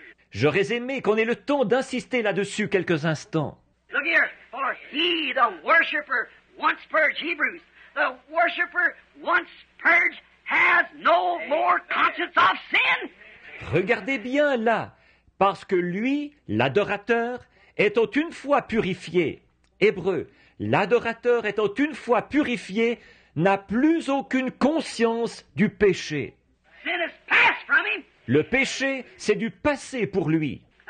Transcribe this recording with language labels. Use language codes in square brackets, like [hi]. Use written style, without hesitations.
[fr] J'aurais aimé qu'on ait le temps d'insister là-dessus quelques instants. [en] Look here, for he, the worshipper, once purged, Hebrews, the worshipper once purged, has no more conscience of sin. [fr] Regardez bien là, parce que lui, l'adorateur, étant une fois purifié, Hébreux, l'adorateur étant une fois purifié, n'a plus aucune conscience du péché. [en] Sin is past from him. [fr] Le péché, c'est du passé pour lui.